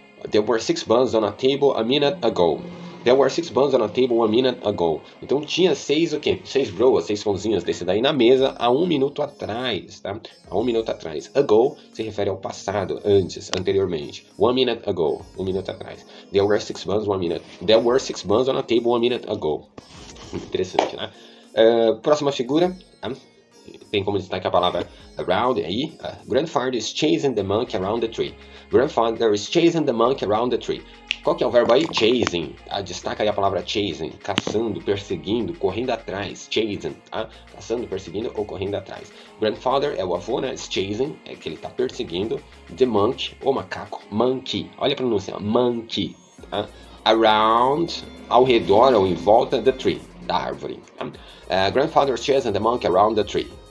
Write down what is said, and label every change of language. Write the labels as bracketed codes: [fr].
[en] There were six buns on a table a minute ago. There were six buns on a table a minute ago. [pt] Então tinha seis, o quê? Seis broas, seis pãozinhos desse daí na mesa há 1 minuto atrás, tá? Há 1 minuto atrás. Ago se refere ao passado, antes, anteriormente. [en] 1 minute ago, [pt] 1 minuto atrás. [en] There were six buns 1 minute. There were six buns on a table 1 minute ago. [pt] Interessante, né? Próxima figura, tá? Tem como destacar a palavra around aí. [en] Grandfather is chasing the monkey around the tree. Grandfather is chasing the monkey around the tree. [pt] Qual que é o verbo aí? Chasing. Destaca aí a palavra chasing. Caçando, perseguindo, correndo atrás. Chasing, tá? Caçando, perseguindo ou correndo atrás. Grandfather é o avô, né? [en] Is chasing, [pt] é que ele tá perseguindo. [en] The monkey, [pt] o macaco. Monkey. Olha a pronúncia. [en] Monkey, tá? [pt] Around, ao redor ou em volta da tree, da árvore. [en] Grandfather is chasing the monkey around the tree.